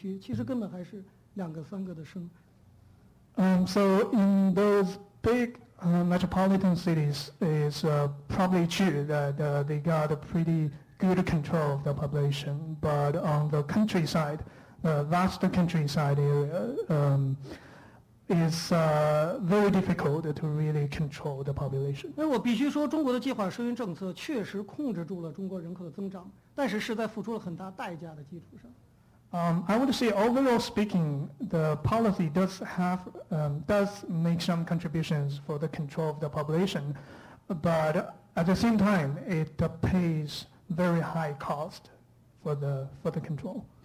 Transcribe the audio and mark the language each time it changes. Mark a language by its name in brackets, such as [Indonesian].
[Chinese] 事实上恰恰是在一些大城市控制住了人口，每个人都保证只生一个，反倒是在农村这样不容易控制的地区，其实根本还是两个、三个的生。 [English] So in those big metropolitan cities, it's probably true that they got a pretty good control of the population, but on the countryside, the vast countryside area is very difficult to really control the population. [Chinese] 我必须说，中国的计划生育政策确实控制住了中国人口的增长，但是是在付出了很大代价的基础上。 [English] I would say, overall speaking, the policy does have does make some contributions for the control of the population, but at the same time, it pays very high cost for the control.